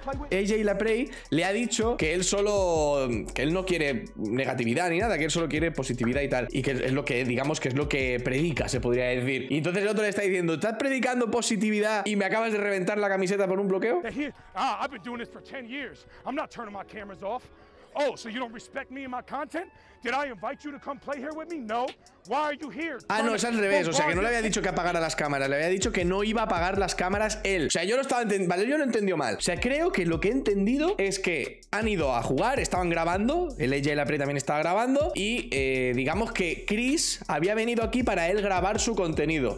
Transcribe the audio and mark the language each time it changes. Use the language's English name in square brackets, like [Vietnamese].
[Spanish] AJ LaPrey le ha dicho que él solo, que él no quiere negatividad ni nada, que él solo quiere positividad y tal, y que es lo que, digamos, que es lo que predica, se podría decir. Y entonces el otro le está diciendo, estás predicando positividad y me acabas de reventar la camiseta por un bloqueo. [English] I've been doing this for 10 years. I'm not turning my cameras off. Oh, so you don't respect me and my content? Did I invite you to come play here with me? No. Why are you here? [Spanish] Ah, no, es al revés. O sea, que no le había dicho que apagara las cámaras. Le había dicho que no iba a apagar las cámaras él. O sea, yo no estaba entendiendo. Vale, yo no entendí mal. O sea, creo que lo que he entendido es que han ido a jugar, estaban grabando. El AJ LaPrey también estaba grabando. Y digamos que Chris había venido aquí para él grabar su contenido.